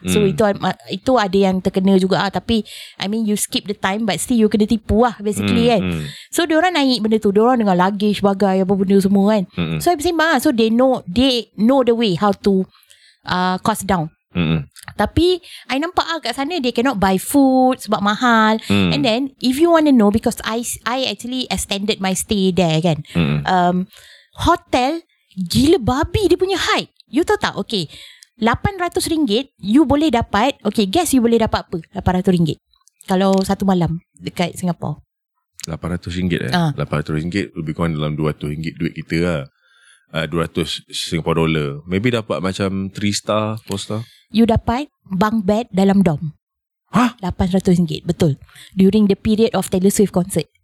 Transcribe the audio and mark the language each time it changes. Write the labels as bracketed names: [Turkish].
[Malay] So itu ada yang terkena juga lah. Tapi [English] I mean you skip the time, but still you [Malay] kena tipu lah [English] basically [Malay] kan. So diorang naik benda tu, diorang dengan luggage bagai apa benda semua kan. [English] So I'm saying bah, so they know the way how to cost down. [Malay] Tapi [English] I [Malay] nampak lah kat sana [English] they cannot buy food [Malay] sebab mahal. [English] And then if you want to know, because I actually extended my stay there [Malay] kan. Hotel gila babi dia punya hype. [English] You [Malay] tahu tak? Okay, RM800 you boleh dapat. Okay, [English] guess [Malay] you boleh dapat apa RM800 kalau satu malam dekat Singapura? RM800 RM800 lebih kurang dalam RM200 duit kita lah. RM200 [English] maybe [Malay] dapat macam 3 star 4 star. [English] You [Malay] dapat bunk bed dalam dorm. [English] RM800 [Malay] betul, [English] during the period of Taylor Swift concert.